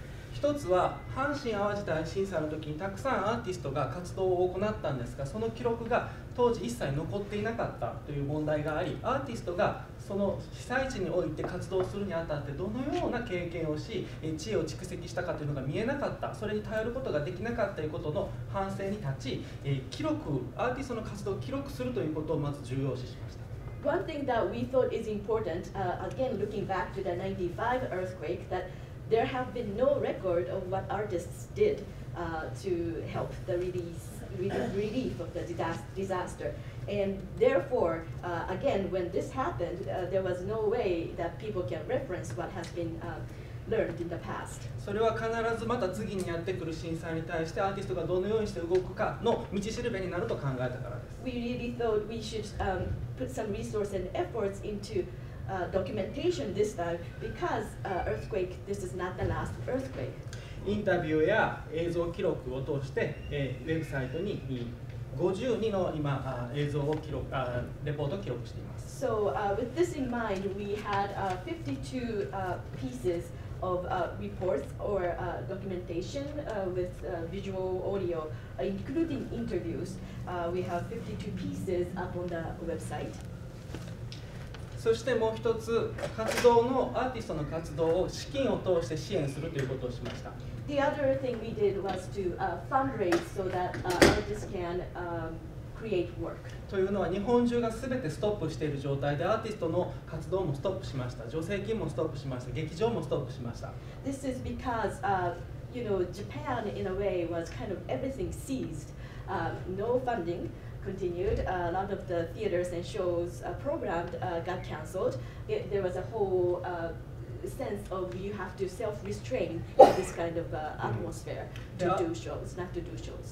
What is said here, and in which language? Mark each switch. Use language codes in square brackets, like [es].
[ja] 一つは阪神淡路大震災の時にたくさんアーティストが活動を行ったんですが、その記録が当時一切残っていなかったという問題があり、アーティストがその被災地において活動するにあたってどのような経験をし、知恵を蓄積したかというのが見えなかった、それに頼ることができなかったということの反省に立ち、記録、アーティストの活動を記録するということをまず重要視しました。 [en] One thing that we thought is important, again looking back to the 95 earthquake, thatThere have been no record of what artists did to help the release relief of the disaster. And therefore, again, when this happened, there was no way that people can reference what has been learned in the past. [ja] それは必ずまた次にやってくる震災に対してアーティストがどのようにして動くかの道しるべになると考えたからです。 [en] We really thought we should put some resources and efforts into documentation this time because earthquake, this is not the last earthquake. [ja] インタビューや映像記録を通して、ウェブサイトに52の今、映像を記録、レポートを記録しています。 [en] So with this in mind, we had 52 pieces. Of reports or documentation with visual audio, including interviews. We have 52 pieces up on the website. [ja] そしてもう一つ活動のアーティストの活動を資金を通して支援するということをしました。 [en] The other thing we did was to fundraise so that artists can create work. [ja] というのは日本中がすべてストップしている状態でアーティストの活動もストップしました。助成金もストップしました。劇場もストップしました。 [en] This is because, you know, Japan in a way was kind of everything seized. No funding continued. A lot of the theaters and shows programmed got cancelled. There was a whole sense of you have to self-restrain in this kind of atmosphere to do shows, not to do shows.